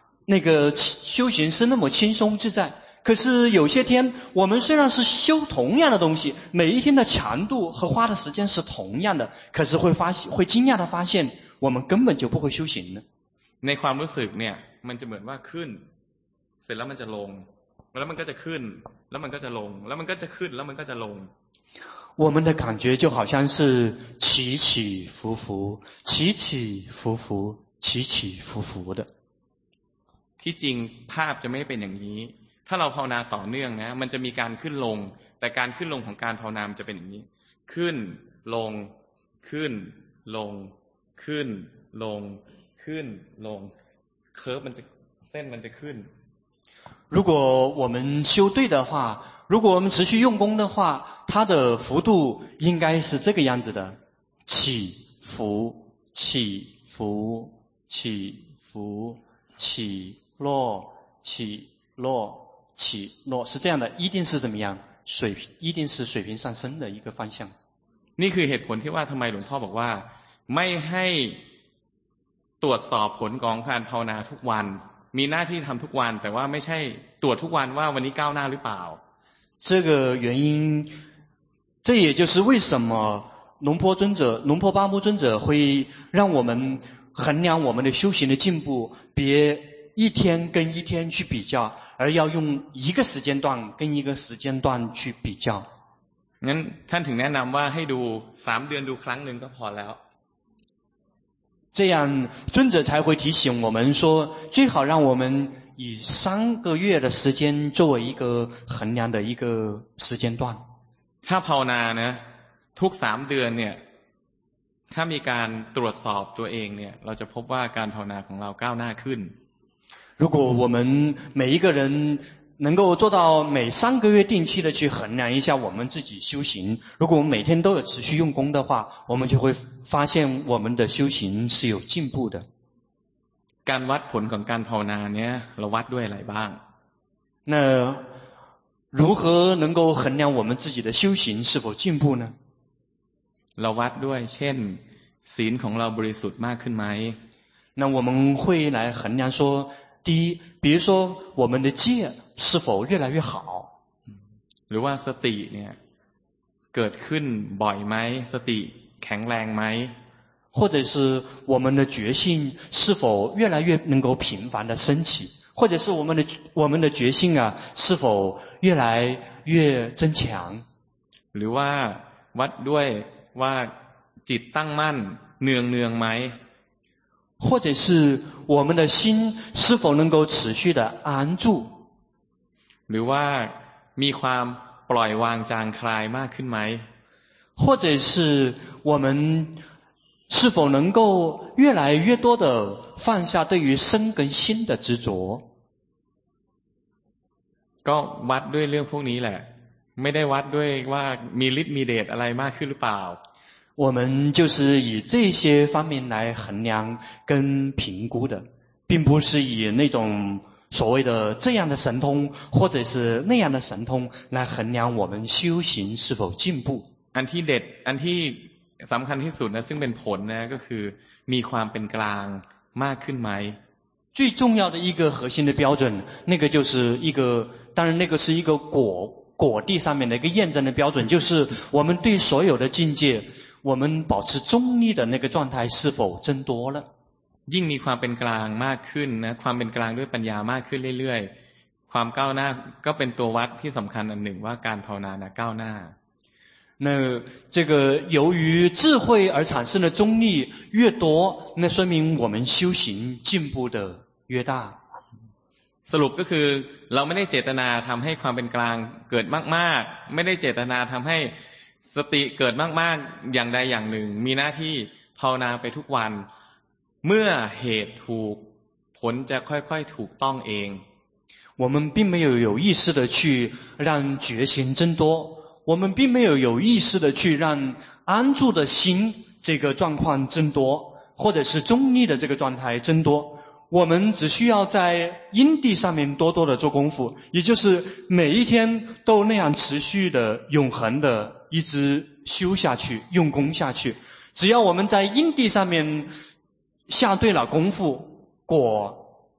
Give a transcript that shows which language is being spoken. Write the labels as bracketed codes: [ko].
[zh] 那个修行是那么轻松自在，可是有些天我们虽然是修同样的东西，每一天的强度和花的时间是同样的，可是会惊讶的发现我们根本就不会修行呢。 [th] ในความรู้สึกเนี่ยมันจะเหมือนว่าขึ้นเสร็จแล้วมันจะลงแล้วมันก็จะขึ้นแล้วมันก็จะลงแล้วมันก็จะขึ้นแล้วมันก็จะลง [zh] 我们的感觉就好像是起起伏伏起起伏伏起起伏伏的 [th] ที่จริงภาพจะไม่เป็นอย่างนี้ถ้าเราภาวนาต่อเนื่องนะมันจะมีการขึ้นลงแต่การขึ้นลงของการภาวนาจะเป็นอย่างนี้ขึ้นลงขึ้นลงขึ้นลงขึ้นลงเคิร์ฟมันจะเส้นมันจะขึ้น [zh] 如果我们修对的话如果我们持续用功的话它的幅度应该是这个样子的起伏起伏起伏起落起落起落是这样的一定是怎么样水一定是水平上升的一个方向 [th] นี่คือเหตุผลที่ว่าทำไมหลวงพ่อบอกว่าไม่ให้ตรวจสอบผลของการภาวนาทุกวันมีหน้าที่ทำทุกวันแต่ว่าไม่ใช่ตรวจทุกวันว่าวันนี้ก้าวหน้าหรือเปล่า [zh] 这个原因这也就是为什么龙婆尊者龙婆巴木尊者会让我们衡量我们的修行的进步别一天跟一天去比较而要用一个时间段跟一个时间段去比较 [th] งั้นท่านถึงแนะนำว่าให้ดู3เดือนดูครั้งหนึ่งก็พอแล้ว [zh] 这样尊者才会提醒我们说最好让我们以三个月的时间作为一个衡量的一个时间段 [th] ถ้าภาวนานะทุก3เดือนเนี่ยถ้ามีการตรวจสอบตัวเองเนี่ยเราจะพบว่าการภาวนาของเราก้าวหน้าขึ้น [zh] 如果我们每一个人能够做到每三个月定期的去衡量一下我们自己修行如果我们每天都有持续用功的话我们就会发现我们的修行是有进步的 [th] การวัดผลของการภาวนาเนี่ยเราวัดด้วยอะไรบ้าง [zh] 那如何能够衡量我们自己的修行是否进步呢？ [th] เราวัดด้วยเช่นศีลของเราบริสุทธิ์มากขึ้นไหม？ [zh] 那我们会来衡量说，第一，比如说我们的戒是否越来越好？ [th] หรือว่าสติเนี่ยเกิดขึ้นบ่อยไหม？ สติแข็งแรงไหม？ [zh] 或者是我们的决心是否越来越能够频繁的升起？或者是我们的决心啊是否越来越增强 [th] หรือว่าวัดด้วยว่าจิตตั้งมั่นเนืองเนืองไหม [zh] 或者是我们的心是否能够持续的安住 [th] หรือว่ามีความปล่อยวางจางคลายมากขึ้นไหม [zh] 或者是我们是否能够越来越多的放下对于身跟心的执着 [th] ก็วัดด้วยเรื่องพวกนี้แหละไม่ได้วัดด้วยว่ามีฤทธิ์มีเดชอะไรมากขึ้นหรือเปล่า [zh] 我们就是以这些方面来衡量跟评估的并不是以那种所谓的这样的神通或者是那样的神通来衡量我们修行是否进步 [th] อันที่เด็ดอันที่สำคัญที่สุดนะซึ่งเป็นผลนะก็คือมีความเป็นกลางมากขึ้นไหม [zh] 最重要的一个核心的标准那个就是一个当然那个是一个果地上面的一个验证的标准就是我们对所有的境界我们保持中立的那个状态是否增多了 [th] ยิ่งมีความเป็นกลางมากขึ้นนะความเป็นกลางด้วยปัญญามากขึ้นเรื่อยๆความก้าวหน้าก็เป็นตัววัดที่สำคัญอันหนึ่งว่าการภาวนาก้าวหน้า [zh] 那这个由于智慧而产生的中立越多那说明我们修行进步的越大 [th] สรุปก็คือเราไม่ได้เจตนาทำให้ความเป็นกลางเกิดมากๆไม่ได้เจตนาทำให้สติเกิดมากๆอย่างใดอย่างหนึ่งมีหน้าที่ภาวนาไปทุกวันเมื่อเหตุถูกผลจะค่อยๆถูกต้องเอง [zh] 我们并没有有意识的去让觉心增多我们并没有有意识的去让安住的心这个状况增多或者是中立的这个状态增多我们只需要在因地上面多多的做功夫也就是每一天都那样持续的永恒的一直修下去用功下去只要我们在因地上面下对了功夫果